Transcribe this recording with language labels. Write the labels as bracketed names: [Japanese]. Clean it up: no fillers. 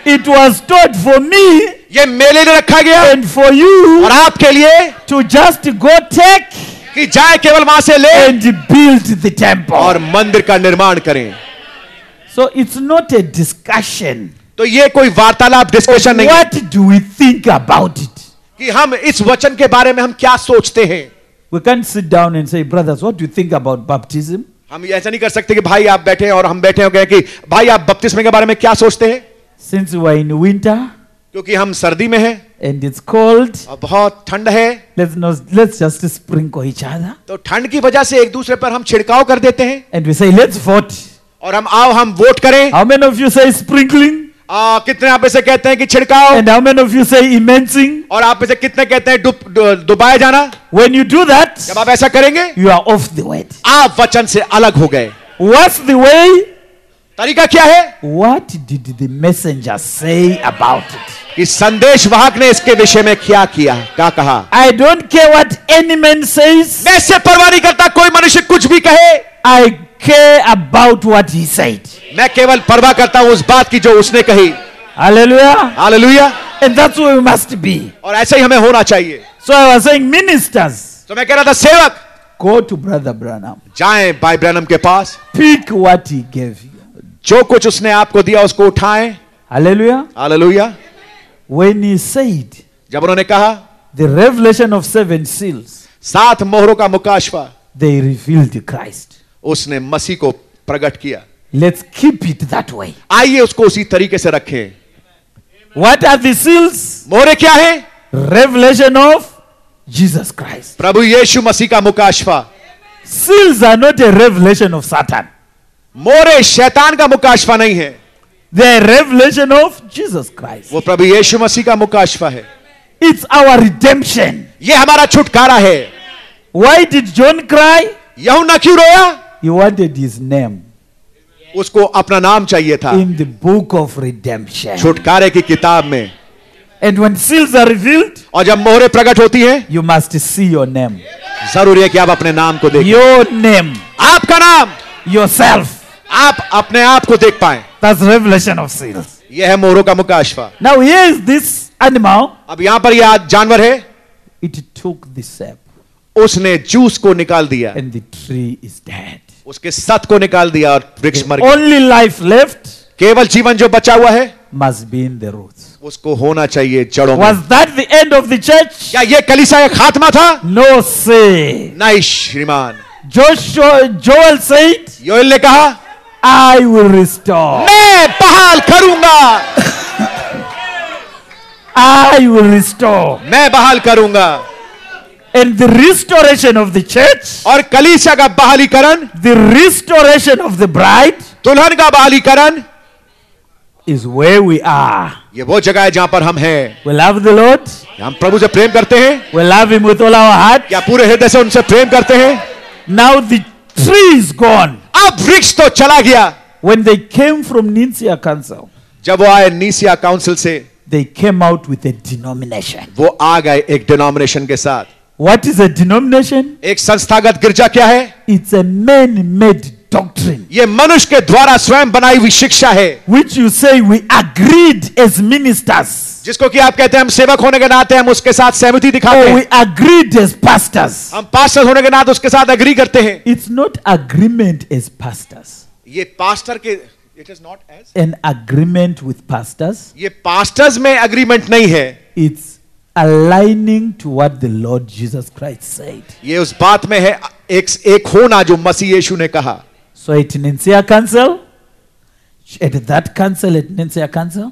[English] It was stored for me. [Hindi] ये मेले ने रखा गया. [English] And for you. [Hindi] और आपके लिए. [English] To just go take. [Hindi] कि जाए केवल वहां से ले. [English] And build the temple. [Hindi] और मंदिर का निर्माण करें. [English] So it's not a discussion. [Hindi] तो ये कोई वार्तालाप डिस्कशन नहीं. [English] What do we think about it? [Hindi] कि हम इस वचन के बारे में हम क्या सोचते हैं. [English] We can't sit down and say, brothers, what do you think about baptism? [Hindi] हम ऐसा नहीं कर सकते कि भाई आप बैठे हैं और हम बैठे हो गए कि भाई आप बपतिस्मे के बारे में क्या सोचते हैं. [English] Since we are in winter. [Hindi] क्योंकि हम सर्दी में हैं. [English] And it's cold. [Hindi] और बहुत ठंड है. [English] Let's just sprinkle each other. [Hindi] तो ठंड की वजह से एक दूसरे पर हम छिड़काव कर देते हैं. [English] And we say let's vote. [Hindi] और हम आओ हम वोट करें. [English] How many of you say sprinkling. [Hindi] कितने आप इसे कहते हैं कि छिड़काव. [English] And how many of you say immersing. [Hindi] और आप इसे कितने कहते हैं डुबाया जाना. [English] When you do that. [Hindi] जब आप ऐसा करेंगे. [English] You are off the way. [Hindi] आप वचन से अलग हो गए. [English] What's the way. [Hindi] तरीका क्या है. [English] What did the messenger say about it. [Hindi] कि संदेश वाहक ने इसके विषय में क्या किया क्या कहा. [English] I don't care what any man says. [Hindi] मैं इससे परवाह नहीं करता कोई मनुष्य कुछ भी कहे. [English] I care about what he said. [Hindi] मैं केवल परवाह करता हूं उस बात की जो उसने कही. [English] Hallelujah. Hallelujah. And that's where we must be. [Hindi] और ऐसे ही हमें होना चाहिए. [English] So I was saying ministers. [Hindi] तो मैं कह रहा था सेवक. [English] Go to Brother Branham. [Hindi] जाएं भाई ब्रैनम के पास. [English] Pick what he gave you. [Hindi] जो कुछ उसने आपको दिया उसको उठाएं. [English] Hallelujah. Hallelujah. When he said. [Hindi] जब उन्होंने कहा. [English] The revelation of seven seals. [Hindi] सात मोहरों का मुकाशवा. [English] They revealed Christ. [Hindi] उसने मसीह को प्रकट किया. [English] Let's keep it that way. [Hindi] आइए उसको उसी तरीके से रखें. [English] What are the seals? [Hindi] मोहरे क्या है? [English] Revelation of Jesus Christ. [Hindi] प्रभु यीशु मसीह का मुकाशवा. [English] Seals are not a revelation of Satan. [Hindi] मोहरे शैतान का मुकाशवा नहीं है. [English] They are revelation of Jesus Christ. [Hindi] वो प्रभु यीशु मसीह का मुकाशवा है. [English] It's our redemption. [Hindi] ये हमारा छुटकारा है. [English] Why did John cry? [Hindi] यूहन्ना क्यों रोया? [English] He wanted his name. [Hindi] उसको अपना नाम चाहिए था. [English] In the book of redemption. [Hindi] छुटकारे की किताब में. [English] And when seals are revealed, [Hindi] और जब मोहरें प्रकट होती हैं, [English] you must see your name. [Hindi] जरूरी है कि आप अपने नाम को देखें. [English] Your name. [Hindi] आपका नाम. [English] Yourself. [Hindi] आप अपने आप को देख पाएं. [English] That's revelation of seals. [Hindi] यह है मोहरों का मुकाशवा. [English] Now here is this animal. [Hindi] अब यहाँ पर यह जानवर है. [English] It took the sap. [Hindi] उसने जूस को निकाल दिया. [English] And the tree is dead. [Hindi] उसके सत को निकाल दिया और वृक्ष मर गया. [English] Only life left. [Hindi] केवल जीवन जो बचा हुआ है. [English] Must be in the roots. [Hindi] उसको होना चाहिए जड़ों में. [English] Was that the end of the church? [Hindi] क्या ये कलीसिया का खात्मा था? [English] No say. [Hindi] नहीं श्रीमान. [English] Joel said. [Hindi] योएल ने कहा. [English] I will restore. [Hindi] मैं बहाल करूंगा. [English] I will restore. [Hindi] मैं बहाल करूंगा. [English] And the restoration of the church. [Hindi] और कलीसिया का बहालीकरण. [English] The restoration of the bride. [Hindi] दुल्हन का बहालीकरण. [English] Is where we are. [Hindi] ये वो जगह है जहाँ पर हम हैं. [English] We love the Lord. [Hindi] हम प्रभु से प्रेम करते हैं. [English] We love him with all our heart. [Hindi] क्या पूरे हृदय से उनसे प्रेम करते हैं. [English] Now the tree is gone. [Hindi] अब वृक्ष तो चला गया. [English] When they came from Nicaea Council. [Hindi] जब वो आए Nicaea Council से. [English] They came out with a denomination. [Hindi] वो आ गए एक denomination के साथ. [English] What is a denomination? [Hindi] एक संस्थागत गिरजा क्या है? [English] It's a man-made doctrine. [Hindi] ये मनुष्य के द्वारा स्वयं बनाई हुई शिक्षा है. [English] Which you say we agreed as ministers. [Hindi] जिसको कि आप कहते हैं हम सेवक होने के नाते हम उसके साथ सहमति दिखाते हैं. [English] We agreed as pastors. [Hindi] हम पास्टर होने के नाते उसके साथ agree करते हैं. [English] It's not agreement as pastors. [Hindi] ये पास्टर के [English] it is not as an agreement with pastors. [Hindi] ये पास्टर्स में agreement नहीं है. [English] It's aligning to what the Lord Jesus Christ said. [Hindi] ये उस बात में है एक होना जो मसीह यीशु ने कहा. [English] So at Nicaea Council, at that council, at Nicaea Council,